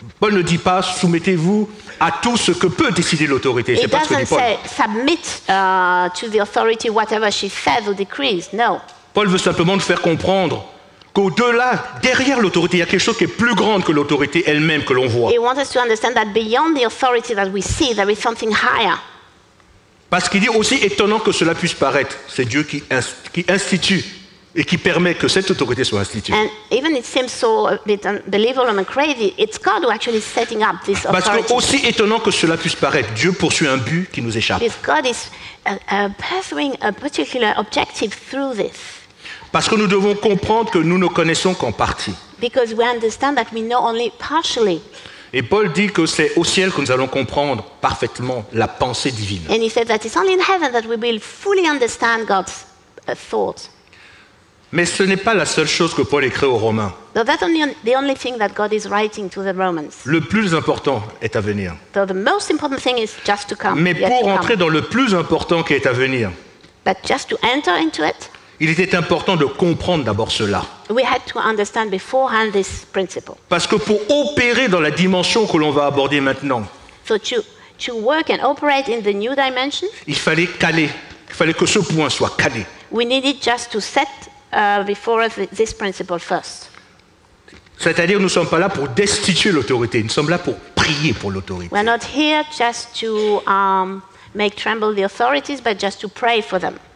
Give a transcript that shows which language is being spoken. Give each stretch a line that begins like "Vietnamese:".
French: Paul ne dit pas soumettez-vous à tout ce que peut décider l'autorité.
English: It
French: c'est pas ce que dit Paul.
English: Say, submit to the authority whatever she says or decrees. No.
French: Paul veut simplement nous faire comprendre qu'au-delà, derrière l'autorité, il y a quelque chose qui est plus grand que l'autorité elle-même que l'on voit.
English: He wants us to understand that beyond the authority that we see, there is something higher.
French: Parce qu'il dit aussi étonnant que cela puisse paraître, c'est Dieu qui institue. Et qui permet que cette autorité soit instituée.
English: And even it seems so a bit unbelievable and crazy, it's God who actually is setting up this authority.
French: Parce que aussi étonnant que cela puisse paraître, Dieu poursuit un but qui nous échappe.
English: Because God is pursuing a particular objective through this.
French: Parce que nous devons comprendre que nous ne connaissons qu'en partie.
English: Because we understand that we know only partially.
French: Et Paul dit que c'est au ciel que nous allons comprendre parfaitement la pensée divine.
English: And he said that it's only in heaven that we will fully understand God's thoughts.
French: Mais ce n'est pas la seule chose que Paul écrit aux Romains.
English: So that's only the only thing that God is writing to the Romans.
French: Le plus important est à venir.
English: So the most important thing is just to come.
French: Mais pour entrer
English: come.
French: Dans le plus important qui est à venir.
English: But just to enter into it.
French: Il était important de comprendre d'abord cela.
English: We had to understand beforehand this principle.
French: Parce que pour opérer dans la dimension que l'on va aborder maintenant.
English: So to work and operate in the new dimension.
French: Il fallait que ce point soit calé.
English: We needed just to set before this principle first.
French: C'est-à-dire, nous ne sommes pas là pour destituer l'autorité, nous sommes là pour prier pour l'autorité.
English: We're not here just to make tremble the authorities, but just to pray for them.